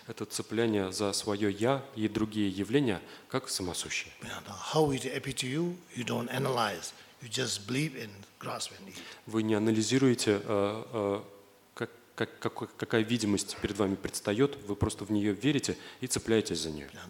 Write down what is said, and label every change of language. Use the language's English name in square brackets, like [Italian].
[Russian] Это цепляние за свое «я» и другие явления как самосущие. [English] Yeah, how it appears to you, you don't analyze. You just believe and grasp and eat. [Russian] Вы не анализируете, какая видимость перед вами предстает, вы просто в нее верите и цепляетесь за нее.